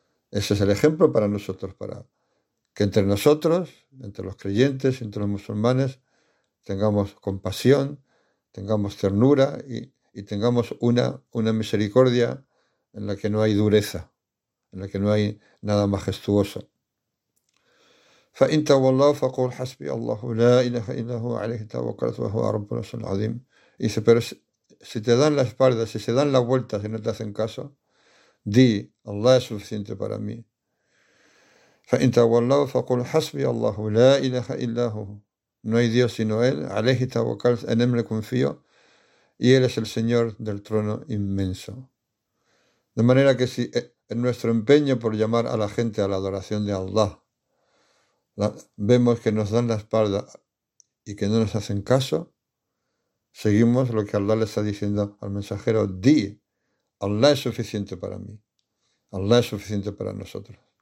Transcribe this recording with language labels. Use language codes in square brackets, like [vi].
[es] Ese es el ejemplo para nosotros, para que entre nosotros, entre los creyentes, entre los musulmanes, tengamos compasión, tengamos ternura y tengamos una misericordia en la que no hay dureza, en la que no hay nada majestuoso. [ar] فإن تولى فقل حسبي الله لا إله إلا هو عليه توكلت وهو رب العرش العظيم. [es] Dice, pero si te dan la espalda, si se dan la vuelta, si no te hacen caso, di, Allah es suficiente para mí. [ar] فإن تولى فقل حسبي الله لا إله إلا هو. [es] No hay Dios sino Él, [ar] عليه توكلت, [es] en Él me confío, y Él es el Señor del trono inmenso. De manera que si en nuestro empeño por llamar a la gente a la adoración de Allah, vemos que nos dan la espalda y que no nos hacen caso, seguimos lo que Allah le está diciendo al mensajero, di, Allah es suficiente para mí, Allah es suficiente para nosotros.